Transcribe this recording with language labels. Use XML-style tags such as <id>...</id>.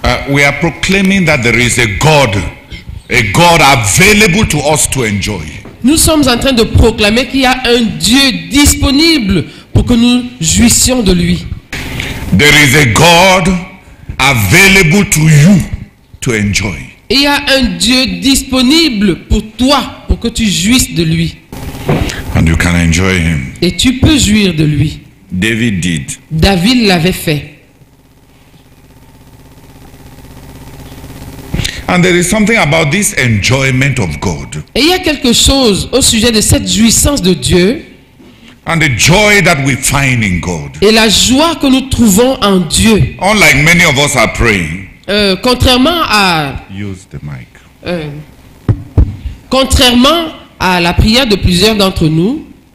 <en>We are proclaiming that there is a God available to us to enjoy.</en> <fr>Nous sommes en train de proclamer qu'il y a un Dieu disponible pour que nous jouissions de lui.</fr> <en>There is a God available to you to enjoy.</en> <fr>Il y a un Dieu disponible pour toi pour que tu jouisses de lui.</fr> <en>And you can enjoy him.</en> <fr>Et tu peux jouir de lui.</fr> <en>David did.</en> <fr>David l'avait fait.</fr> <en>And there is something about this enjoyment of God.</en> <fr>Et il y a quelque chose au sujet de cette jouissance de Dieu.</fr> <en>And the joy that we find in God.</en> <fr>Et la joie que nous trouvons en Dieu.</fr> <en>Unlike many of us are praying.</en> <fr>Contrairement à.</fr> <en>Use the mic.</en> <fr>Contrairement à la prière de plusieurs d'entre nous.</fr>